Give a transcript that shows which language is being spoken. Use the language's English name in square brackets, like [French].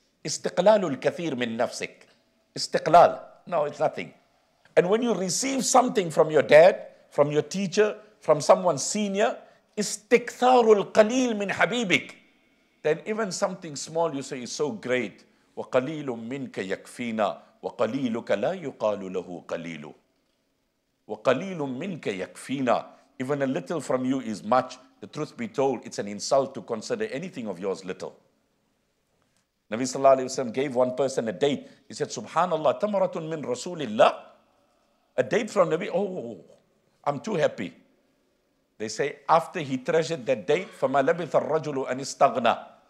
[Arabic] استقلال الكثير من نفسك. استقلال. [English] No, it's nothing. And when you receive something from your dad, from your teacher, from someone senior, [Arabic] استكثار القليل من حبيبك. [English] Then even something small you say is so great. [Arabic] وقليل منك يكفينا وقليلك لا يقال له قليل. وقليل منك يكفينا. [English] Even a little from you is much. The truth be told, it's an insult to consider anything of yours little. Nabi sallallahu alayhi wa sallam gave one person a date. He said, Subhanallah, [Arabic] tamarat min Rasulillah. [English] A date from Nabi, I'm too happy. They say, after he treasured that date, [Arabic] فَمَا لَبِثَ الرَّجُلُ أَنْ إِسْتَغْنَى.